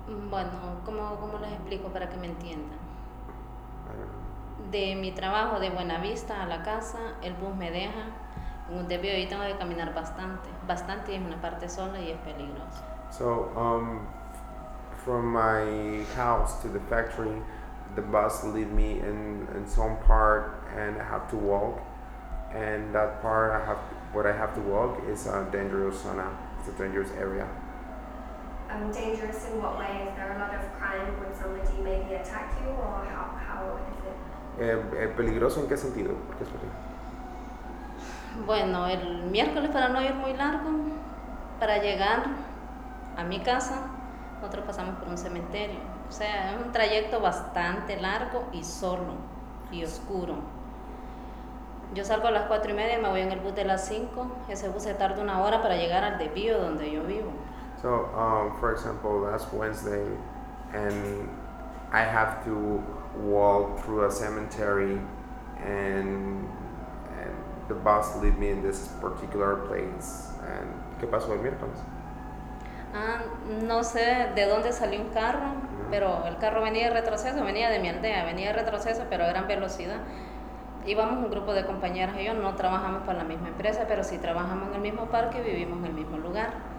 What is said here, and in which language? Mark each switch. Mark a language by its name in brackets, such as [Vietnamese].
[Spanish] Bueno, ¿cómo les explico para que me entiendan? De mi trabajo de Buenavista a la casa, el bus me deja en un desvío y tengo que caminar bastante. Bastante, es una parte sola y es peligroso. [English] So, from my house to the factory, the bus leave me in some part and I have to walk. And that part I have to walk is a dangerous zona, it's a dangerous area. Dangerous in what way? Is there a lot of crime? Would somebody maybe attack you, or how is it? [Spanish] ¿Peligroso en qué sentido? ¿Por qué es peligroso? Bueno, el miércoles para no ir muy largo, para llegar a mi casa, nosotros pasamos por un cementerio. O sea, es un trayecto bastante largo y solo y oscuro. Yo salgo a las 4:30, me voy en el bus de las 5. Ese bus se tarda una hora para llegar al desvío donde yo vivo. [English] So, for example, last Wednesday, and I have to walk through a cemetery, and the bus leave me in this particular place. [Spanish] And ¿qué pasó el miércoles? No sé de dónde salió un carro, pero el carro venía de retroceso, venía de mi aldea, venía de retroceso, pero a gran velocidad. Íbamos un grupo de compañeras y yo, no trabajamos para la misma empresa, pero sí trabajamos en el mismo parque y vivimos en el mismo lugar.